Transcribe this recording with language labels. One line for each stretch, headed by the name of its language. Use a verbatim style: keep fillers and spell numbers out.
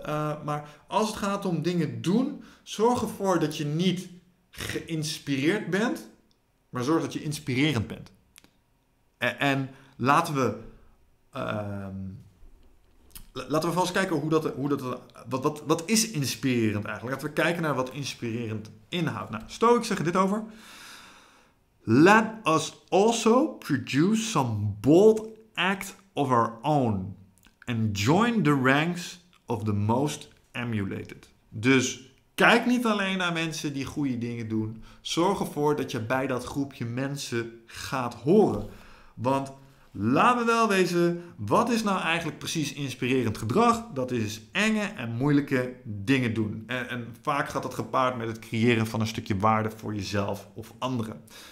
Dutch: Uh, maar als het gaat om dingen doen, zorg ervoor dat je niet geïnspireerd bent, maar zorg dat je inspirerend bent. En, en laten we Um, laten we vast kijken hoe dat, hoe dat wat, wat, wat is inspirerend eigenlijk. Laten we kijken naar wat inspirerend inhoudt. Nou, Stoics zeggen dit over.
English: Let us also produce some bold act of our own. And join the ranks of the most emulated.
Dutch: Dus kijk niet alleen naar mensen die goede dingen doen. Zorg ervoor dat je bij dat groepje mensen gaat horen. Want laten we wel wezen, wat is nou eigenlijk precies inspirerend gedrag? Dat is enge en moeilijke dingen doen. En, en vaak gaat dat gepaard met het creëren van een stukje waarde voor jezelf of anderen.